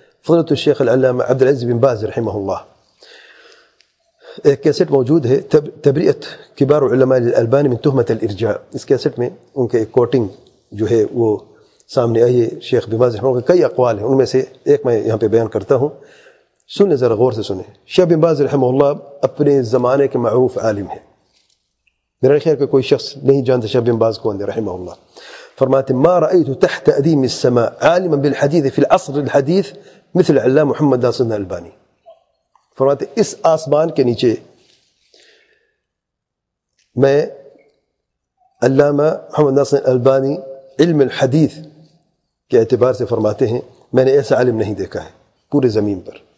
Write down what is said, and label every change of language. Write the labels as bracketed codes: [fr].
[ur] فضلۃ الشیخ العلامہ عبدالعزیز بن باز رحمہ اللہ, ایک کیسٹ موجود ہے [ar] تبرئت کبار علماء للالبانی من تہمت الارجاء, [ur] اس کیسٹ میں ان کے ایک کوٹنگ جو ہے وہ سامنے آئی ہے. شیخ بن باز رحمہ اللہ کے کئی اقوال ہیں, ان میں سے ایک میں یہاں پہ بیان کرتا ہوں, سنیں ذرا غور سے سنیں. شیخ بن باز رحمہ اللہ اپنے زمانے کے معروف عالم ہیں, میرا خیال کہ کوئی شخص نہیں جانتا شیخ بن باز کون ہے رحمہ اللہ. فرماتے ہیں [ar] ما رأيت تحت أديم السماء عالما بالحديث في العصر الحديث مثل علامہ محمد ناصر الألباني. [ur] فرماتے ہیں اس آسمان کے نیچے میں علامہ محمد ناصر الألباني علم الحديث کے اعتبار سے فرماتے ہیں میں نے ایسا عالم نہیں دیکھا ہے پورے زمین پر.